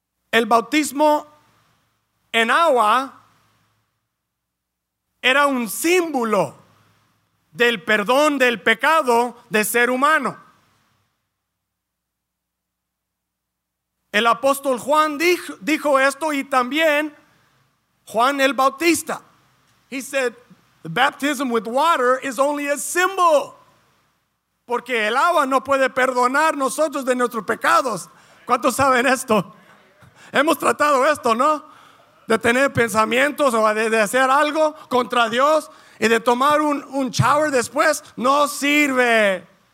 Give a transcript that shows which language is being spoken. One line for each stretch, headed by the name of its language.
Spanish: El bautismo en agua era un símbolo del perdón del pecado del ser humano. El apóstol Juan dijo esto, y también Juan el Bautista.
English: He said, the baptism with water is only a symbol.
Spanish: Porque el agua no puede perdonar nosotros de nuestros pecados. ¿Cuántos saben esto? Hemos tratado esto, ¿no? De tener pensamientos o de hacer algo contra Dios y de tomar un shower después, no sirve.